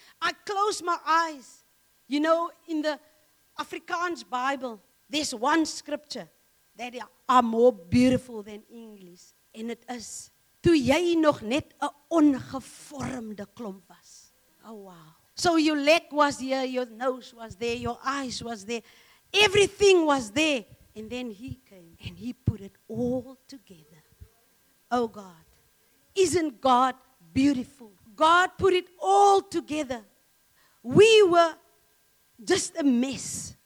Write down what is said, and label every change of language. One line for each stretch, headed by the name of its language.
English: I close my eyes. You know, in the Afrikaans Bible, there's one scripture that are more beautiful than English. And it is,
Afrikaans: toe jy nog net 'n ongevormde klomp was.
English: Oh, wow. So your leg was here, your nose was there, your eyes was there. Everything was there. And then he came and he put it all together. Oh, God. Isn't God beautiful? God put it all together. We were just a mess.